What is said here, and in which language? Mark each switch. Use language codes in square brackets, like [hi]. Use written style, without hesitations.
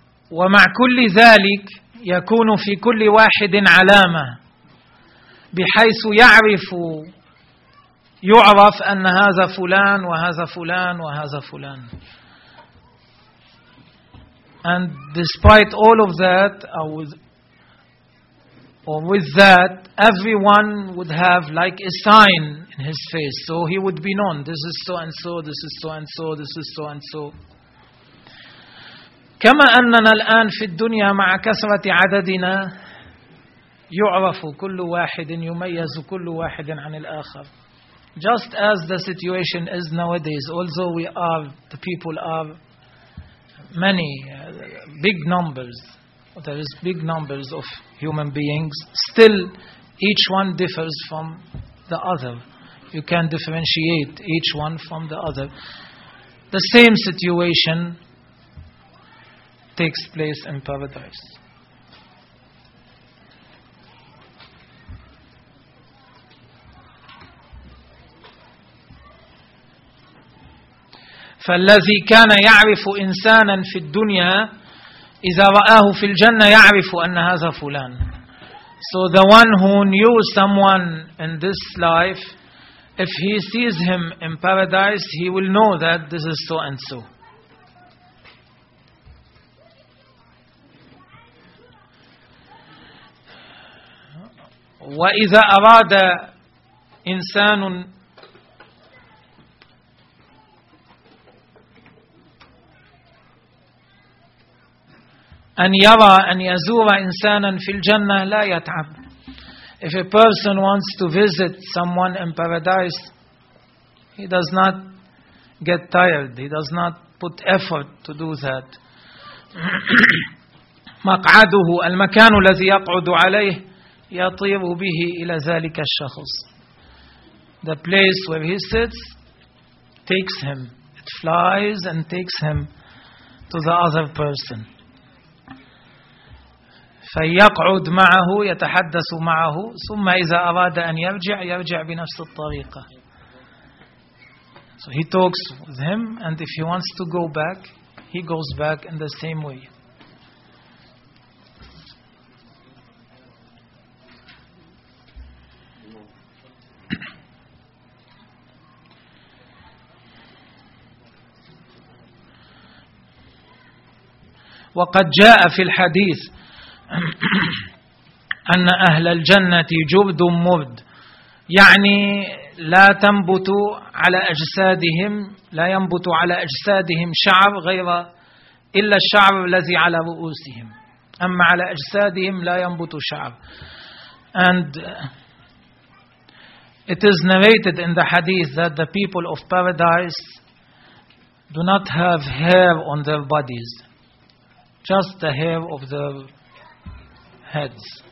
[ar] ومع كل ذلك يكون في كل واحد علامة بحيث يعرف يعرف أن هذا فلان وهذا فلان وهذا فلان. [en] And despite all of that, or with that, everyone would have like a sign in his face, so he would be known. This is so and so, this is so and so, this is so and so. [ar] كما أننا الآن في الدنيا مع كثرة عددنا يعرف كل واحد يميز كل واحد عن الآخر. [en] Just as the situation is nowadays, although we are, the people are many, big numbers, there is big numbers of human beings, still each one differs from the other. You can differentiate each one from the other. The same situation takes place in paradise. [ar] فالذي كان يعرف إنسانا في الدنيا إذا رآه في الجنة يعرف أن هذا فلان. [en] So the one who knew someone in this life, if he sees him in paradise, he will know that this is so and so. [ar] وإذا أراد إنسان أن يرى أن يزور إنسانا في الجنة لا يتعب. [en] If a person wants to visit someone in paradise, he does not get tired. He does not put effort to do that. [ar] مقعده المكان الذي يقعد عليه يطير به إلى ذلك الشخص. [en] The place where he sits takes him. It flies and takes him to the other person. [ar] فيقعد معه يتحدث معه ثم إذا أراد أن يرجع يرجع بنفس الطريقة. [en] So he talks with him, and if he wants to go back, he goes back in the same way. [ar] وقد جاء في الحديث أن أهل الجنة جرد مرد يعني لا تنبت على أجسادهم لا ينبت على أجسادهم شعر غير إلا الشعب الذي على رؤوسهم، أما على أجسادهم لا ينبت شعب. [en] And it is narrated in the hadith that the people of paradise do not have hair on their bodies, just the hair of their heads.